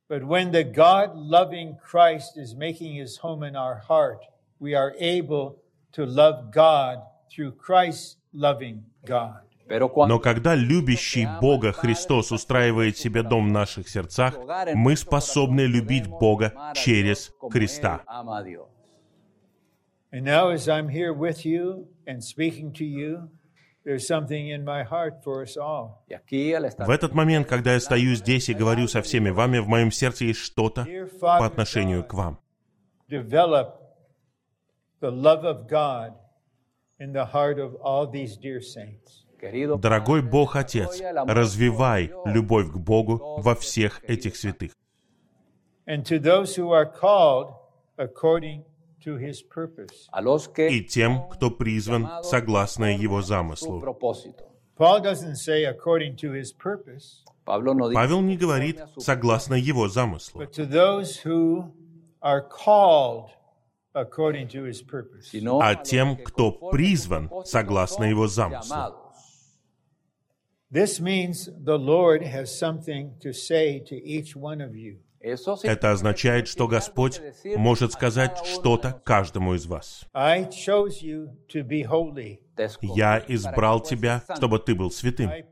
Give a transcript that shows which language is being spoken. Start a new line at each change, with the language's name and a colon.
Russian: Но когда Бог-любящий Христос делает свое домашнее место в нашем сердце,
English: we are able to love God through Christ loving God.
Russian: Но когда любящий Бога Христос устраивает себе дом в наших сердцах, мы способны любить Бога через Христа.
English: And now as I'm here with you and speaking to you, there's something in my heart for us all.
Russian: В этот момент, когда я стою здесь и говорю со всеми вами, в моем сердце есть что-то по отношению к вам.
English: Develop the love of God in the heart of all these dear saints.
Russian: Дорогой Бог Отец, развивай любовь к Богу во всех этих святых.
English: And to those who are called according to his purpose.
Russian: И тем, кто призван согласно его замыслу.
English: Paul doesn't say according to his purpose.
Russian: Павел не говорит согласно его замыслу.
English: But to those who are called according to his purpose.
Russian: А тем, кто призван согласно его замыслу.
English: This means the Lord has something to say to each one of you.
Russian: Это означает, что Господь может сказать что-то каждому из вас. Я избрал тебя, чтобы ты был святым.